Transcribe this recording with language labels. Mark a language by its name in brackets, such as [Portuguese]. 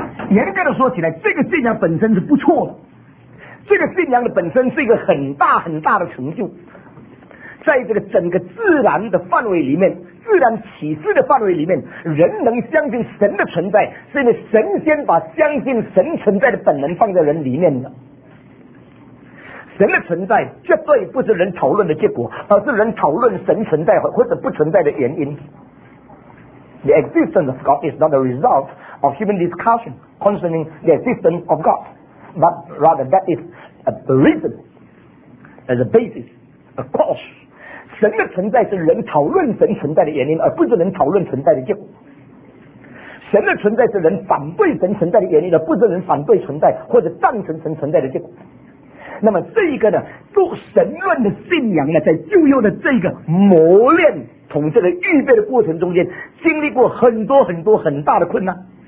[Chinese] 严格的说起来，这个信仰本身是不错的，这个信仰的本身是一个很大很大的成就，在这个整个自然的范围里面，自然启示的范围里面，人能相信神的存在，是因为神先把相信神存在的本能放在人里面的。神的存在绝对不是人讨论的结果，而是人讨论神存在或者不存在的原因。 [English] The existence of God is not a result of human discussionconcerning the existence of God, but rather that is a reason, as a basis, a cause. [Chinese] 神的存在是人讨论神存在的原因，而不是人讨论存在的结果。神的存在是人反对神存在的原因，而不是人反对存在或者赞成神存在的结果。那么这一个呢，做神论的信仰呢，在旧约的这个磨练从这个预备的过程中间，经历过很多很多很大的困难。